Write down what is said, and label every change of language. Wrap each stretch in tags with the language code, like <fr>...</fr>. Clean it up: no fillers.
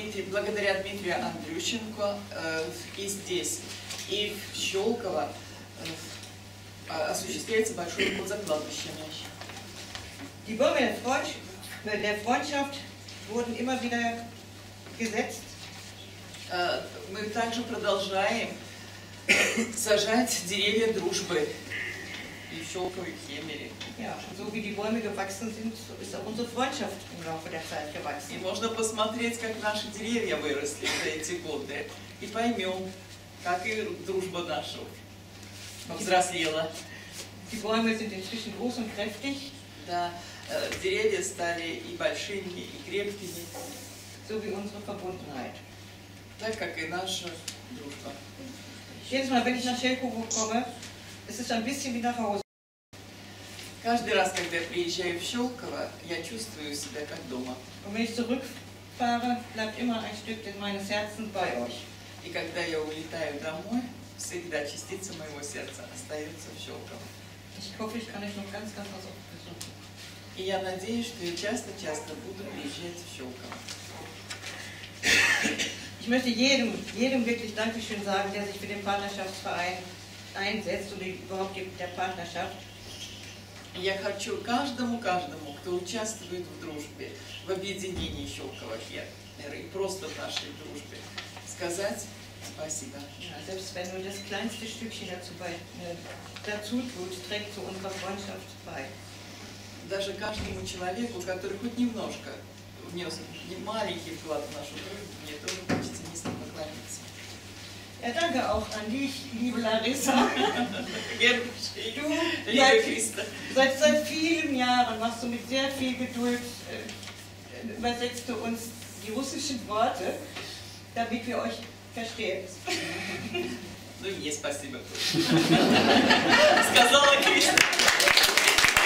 <ru>Благодаря Дмитрию Андрющенко и здесь, и в Щелково осуществляется большой уход за кладбищами.</ru> <de>Die Bäume der Freundschaft wurden immer wieder gesetzt.</de> <ru>Мы также продолжаем сажать деревья дружбы и в Щелково, и в Хемере.</ru> <de>Ja, so wie die Bäume gewachsen sind, so ist auch unsere Freundschaft im Laufe der Zeit gewachsen.</de> <ru>И можно посмотреть, как наши деревья выросли за эти годы, и поймем, как и дружба наша взрослела.</ru> <de>Die Bäume sind inzwischen groß und kräftig.</de> <ru>Да, деревья стали и большими, и крепкими.</ru> <de>So wie unsere Verbundenheit.</de> <ru>Так, как и наша дружба.</ru> <de>Jedes Mal, wenn ich nach Chelkovo komme, es ist ein bisschen wie nach Hause.</de> <ru>Каждый раз, когда я приезжаю в Щелково, я чувствую себя как дома.</ru> <de>Und wenn ich zurückfahre, bleibt immer ein Stück meines Herzens bei euch.</de> <ru>И когда я улетаю домой, всегда частица моего сердца остается в Щелково.</ru> <de>Ich hoffe, ich kann euch noch ganz, ganz oft besuchen.</de> <ru>И я надеюсь, что я часто-часто буду приезжать в Щелково.</ru> <de>Ich möchte jedem wirklich Dankeschön sagen, der sich für den Partnerschaftsverein einsetzt und überhaupt der Partnerschaft.</de> <ru>Я хочу каждому, кто участвует в дружбе, в объединении Щелково-Хемера и просто в нашей дружбе, сказать спасибо.</ru> <de>Selbst wenn nur das kleinste Stückchen dazu tut, trägt zu unserer Freundschaft bei.</de> <ru>Даже каждому человеку, который хоть немножко внес маленький вклад в нашу дружбу, мне тоже хочется низко поклониться.</ru> <de>Ja, danke auch an dich, liebe Larissa. Du, liebe Christa. Seit vielen Jahren machst du mit sehr viel Geduld, übersetzt du uns die russischen Worte, damit wir euch verstehen.</de> <ru>Ну, не спасибо. Сказала Christa.</ru>